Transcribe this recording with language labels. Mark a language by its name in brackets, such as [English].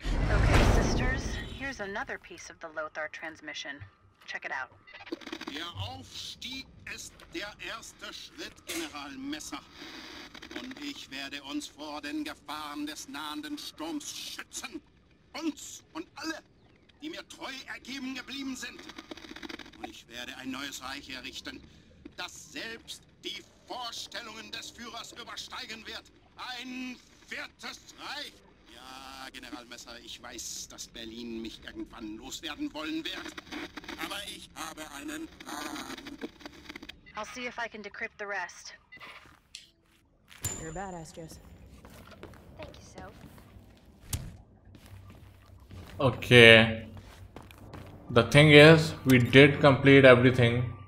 [English] Okay, sisters, here's another piece of the Lothar transmission. Check it out. [German] Der Aufstieg ist der erste Schritt, General Messer. Und ich werde uns vor den Gefahren des nahenden Sturms schützen. Uns und alle, die mir treu ergeben geblieben sind. Und ich werde ein neues Reich errichten, das selbst die Vorstellungen des Führers übersteigen wird. Ein viertes Reich. Ja, Generalmesser, ich weiß, dass Berlin mich irgendwann loswerden wollen wird. Aber ich habe einen Plan. [English] I'll see if I can decrypt the rest. You're a badass, Jess. Thank you, Soph. Okay, the thing is, we did complete everything.